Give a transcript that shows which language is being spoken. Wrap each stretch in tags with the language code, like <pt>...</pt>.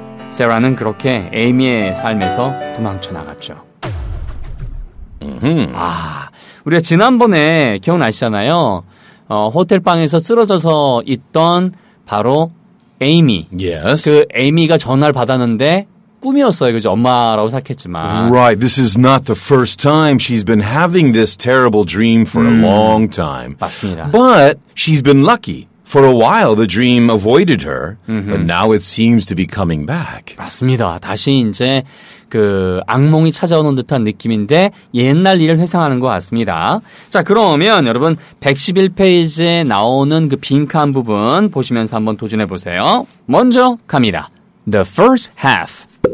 <ko>세라는 그렇게 에이미의 삶에서 도망쳐 나갔죠. 아, 우리가 지난번에 기억나시잖아요. 호텔 방에서 쓰러져서 있던 바로 에이미.</ko> <en>Yes.</en> <ko>그 에이미가 전화를 받았는데 꿈이었어요. 그죠? 엄마라고 생각했지만.</ko> <en>Right. This is not the first time she's been having this terrible dream for a long time.</en> <ko>맞습니다.</ko> <en>But she's been lucky. For a while, the dream avoided her, but now it seems to be coming back.</en> <ko>맞습니다. 다시 이제 그 악몽이 찾아오는 듯한 느낌인데 옛날 일을 회상하는 것 같습니다. 자, 그러면 여러분 111페이지에 나오는 그 빈칸 부분 보시면서 한번 도전해 보세요. 먼저 갑니다.</ko> <en>The first half.</en>